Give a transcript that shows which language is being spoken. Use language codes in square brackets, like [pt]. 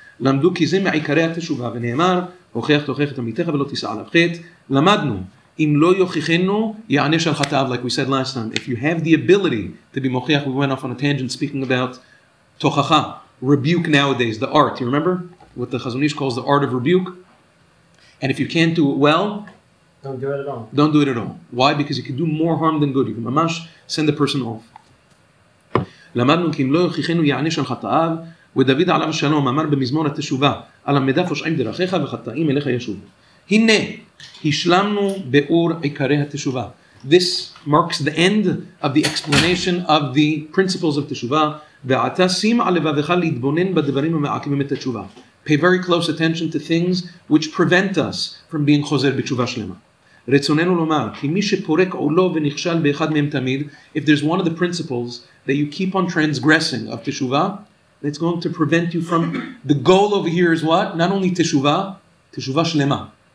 [he] למדו כי זה מעיקרי התשובה, ונאמר, הוכח תוכח את עמיתך ולא תיסע עליו חטא. למדנו, אם לא יוכיחנו, יענש על חטאיו, [en] like we said last time. If you have the ability to be מוכיח, we went off on a tangent speaking about תוכחה, rebuke nowadays, the art. You remember what the Chazon Ish calls the art of rebuke? And if you can't do it well, don't do it at all. Don't do it at all. Why? Because you can do more harm than good. You can ממש send the person off. [he] למדנו כי אם לא יוכיחנו, יענש על חטאיו, ודוד עליו שלום אמר במזמור התשובה על המדף הושעים דרכיך וחטאים אליך ישוב. הנה, השלמנו באור עיקרי התשובה. [en] This marks the end of the explanation of the principles of תשובה. [he] ועתה שים על לבבך להתבונן בדברים המעכבים את התשובה. [en] Pay very close attention to things which prevent us from being [he] חוזר בתשובה שלמה. רצוננו לומר, כי מי שפורק עולו ונכשל באחד מהם תמיד, [en] if there's one of the principles that you keep on transgressing of תשובה, that's going to prevent you from... The goal over here is what? Not only teshuvah, teshuvah shlema.